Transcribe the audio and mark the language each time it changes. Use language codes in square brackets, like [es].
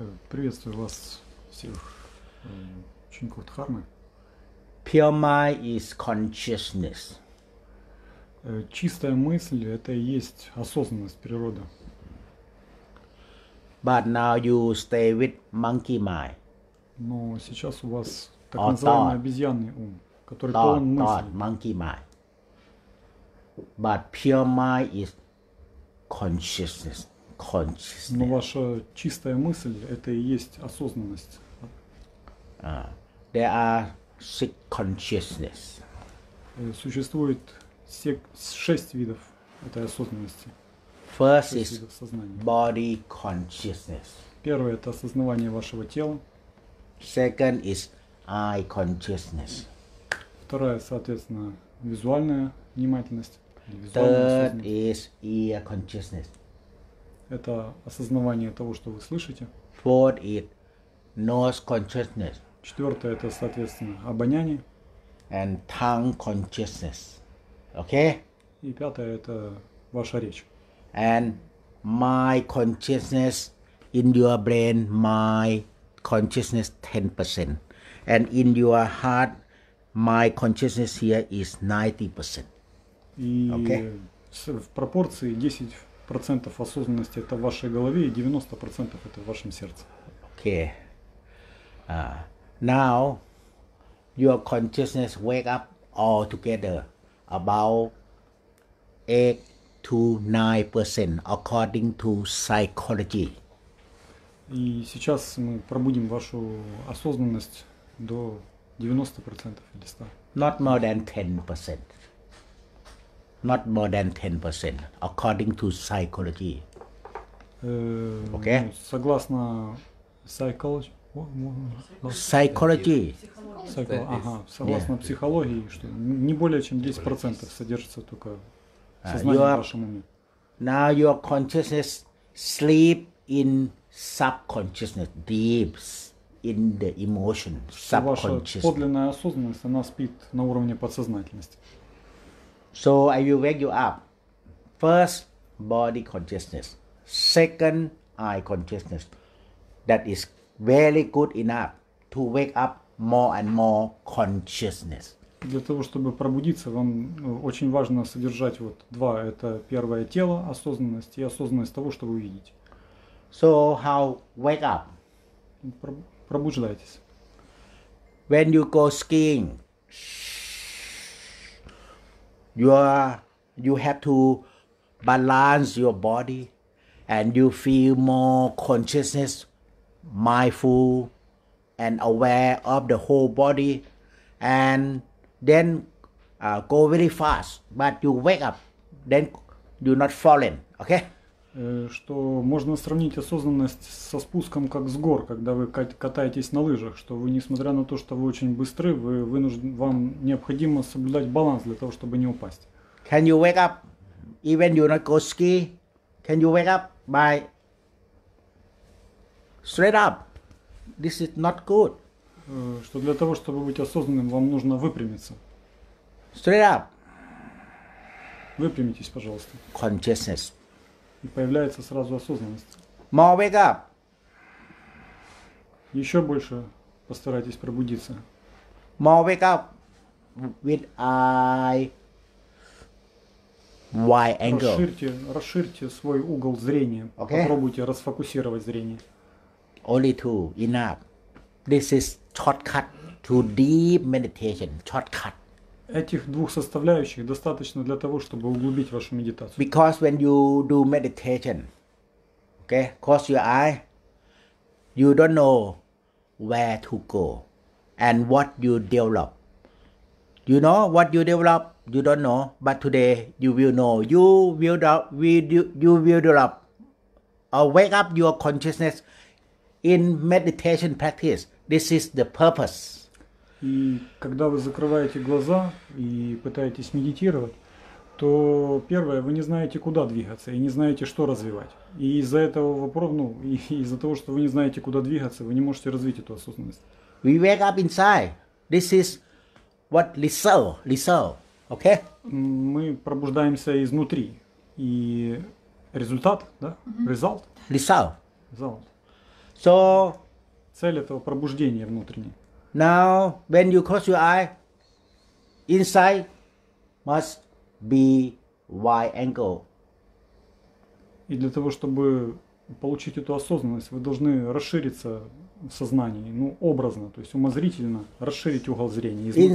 [ru] Приветствую вас всех, учеников Дхармы. [en] Pure mind is consciousness. [ru] Чистая мысль – это и есть осознанность природы. [en] But now you stay with monkey mind. [ru] Но сейчас у вас так or называемый [en] thought. [ru] Обезьянный ум, который [en] thought, [ru] полон мысли. [en] Thought, monkey mind. But pure mind is consciousness. [ru] Но ваша чистая мысль – это и есть осознанность. [en] There are six consciousness. [ru] Существует шесть видов этой осознанности. [en] First is body consciousness. [ru] Первое – это осознавание вашего тела. [en] Second is eye consciousness. [ru] Второе, соответственно, визуальная внимательность. [en] Third is ear consciousness. [ru] Это осознавание того, что вы слышите. [en] Fourth is nose consciousness. [ru] Четвертое – это, соответственно, обоняние. [en] And tongue consciousness. Okay? [ru] И пятое – это ваша речь. [en] And my consciousness in your brain, my consciousness 10%. And in your heart, my consciousness here is 90%. [ru] И [en] okay. [ru] В пропорции 10% осознанности – это в вашей голове, и 90% – это в вашем сердце. [en] Okay. Now, your consciousness wake up all together about 8 to 9% according to psychology. [ru] И сейчас мы пробудим вашу осознанность до 90% или 100%. [en] Not more than 10%. Not more than 10%, according to psychology. Okay? [ru] Согласно [en] psychology. Psychology. [ru] Согласно психологии, что не более чем 10% содержится только в сознании вашем уме. [en] Now your consciousness sleep in subconsciousness, deep in the emotion, subconsciousness. [ru] Ваша подлинная осознанность, она спит на уровне подсознательности. [en] So I will wake you up. First, body consciousness. Second, eye consciousness. That is very good enough to wake up more and more consciousness. [ru] Для того, чтобы пробудиться, вам очень важно содержать вот два. Это первое тело, осознанность, и осознанность того, что вы видите. [en] So how wake up? [ru] Пробуждайтесь. [en] When you go skiing, you have to balance your body and you feel more consciousness, mindful and aware of the whole body, and then go very fast, but you wake up, then you not falling, okay? [ru] Что можно сравнить осознанность со спуском, как с гор, когда вы катаетесь на лыжах, что вы, несмотря на то, что вы очень быстры, вам необходимо соблюдать баланс для того, чтобы не упасть. [en] Can you wake up, even you not go ski? Can you wake up by straight up? This is not good. [ru] Что для того, чтобы быть осознанным, вам нужно выпрямиться. [en] Straight up. [ru] Выпрямитесь, пожалуйста. [en] Consciousness. [ru] И появляется сразу осознанность. [en] More wake up. [ru] Еще больше постарайтесь пробудиться. [en] More wake up with eye wide angle. [ru] Расширьте свой угол зрения. [en] Okay. [ru] Попробуйте расфокусировать зрение. [en] Only two, enough. This is shortcut to deep meditation. Shortcut. [ru] Этих двух составляющих достаточно для того, чтобы углубить вашу медитацию. [en] Because when you do meditation, okay, close your eye, you don't know where to go and what you develop. You know what you develop, you don't know, but today you will know. You will develop or wake up your consciousness in meditation practice. This is the purpose. [ru] И когда вы закрываете глаза и пытаетесь медитировать, то первое, вы не знаете, куда двигаться и не знаете, что развивать. И из-за этого вопрос, ну, и из-за того, что вы не знаете, куда двигаться, вы не можете развить эту осознанность. [en] We wake up inside. This is what result, okay? [ru] Мы пробуждаемся изнутри. И результат, да? [en] Result. Result. So, [ru] цель этого пробуждения внутреннее. [en] Now, when you close your eye, inside must be wide angle. [ru] И для того, чтобы получить эту осознанность, вы должны расшириться в сознании, ну, образно, то есть умозрительно расширить угол зрения изнутри.